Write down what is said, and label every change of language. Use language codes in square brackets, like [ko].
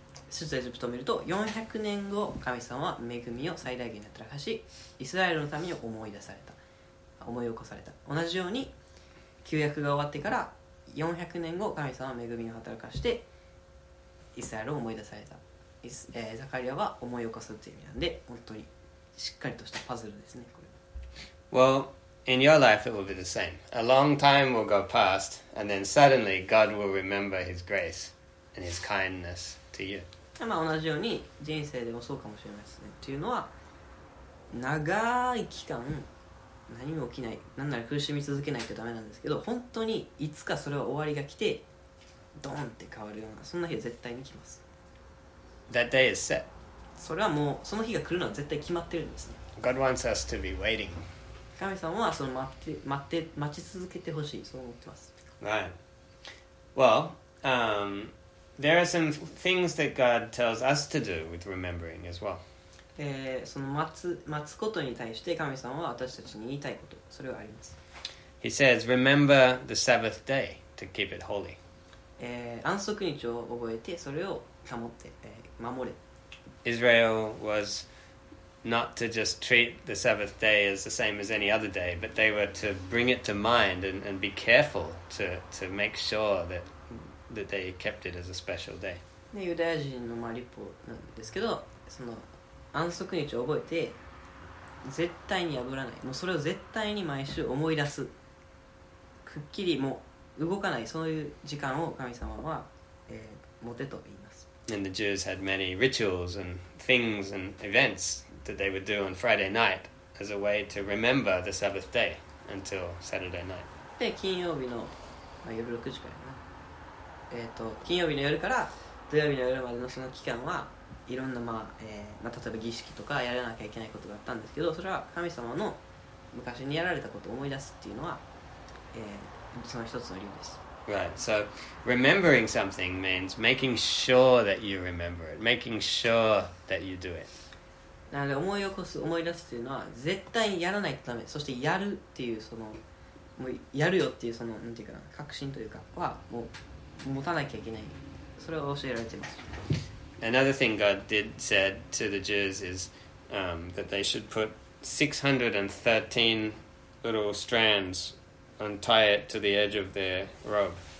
[ja] 出エジプトを見ると、400年後、神様は恵みを最大限に働かし、イスラエルの民を思い出された、思い起こされた。同じように、旧約が終わってから400年後、神様は恵みを働かして、イスラエルを思い出された。ザカリアは思い起こすという意味なんで、本当にしっかりとしたパズルですね、これ。 [en] Well, in your life it will be the same. A long time will go past, and then suddenly God will remember His grace and His kindness to you. [ja] 同じように人生でもそうかもしれないですね。というのは、長い期間何も起きない、何なら苦しみ続けないとダメなんですけど、本当にいつかそれは終わりが来て、ドーンって変わるような、そんな日は絶対に来ます。 [en] That day is set. [ja] それはもうその日が来るのは絶対決まってるんですね。 [en] God wants us to be waiting. [ja] 神様はその待ち続けてほしい、そう思ってます。 [en] Right. Well, there are some things that God tells us to do with remembering as well. [ja] その待つことに対して神様は私たちに言いたいこと、それはあります。 [en] He says, "Remember the Sabbath day to keep it holy." [ja] 安息日を覚えてそれを保って。守れ。 [en] Israel was not to just treat the Sabbath day as the same as any other day, but they were to bring it to mind and be careful to make sure that they kept it as a special day. [ja] ユダヤ人の立法なんですけど、その安息日を覚えて絶対に破らない、もうそれを絶対に毎週思い出す、くっきりもう動かない、そういう時間を神様は、持てと言います。 [en] And the Jews had many rituals and things and events that they would do on Friday night as a way to remember the Sabbath day. until Saturday night. [ja] で、金曜日の、まあ、夜6時からな。金曜日の夜から土曜日の夜までのその期間はいろんな、まあ例えば儀式とかやらなきゃいけないことがあったんですけど、それは神様の昔にやられたことを思い出すっていうのは、その一つの理由です。 [en] Right, so remembering something means making sure that you remember it, making sure that you do it. [ja] なので思い起こす、思い出すっていうのは絶対にやらないとダメ、そしてやるっていうそのもうやるよっていうそのなんていうかな確信というかはもう持たなきゃいけない、それを教えられています。 [en] Another thing God did said to the Jews is that they should put 613 little strands and tie it to the edge of their robe.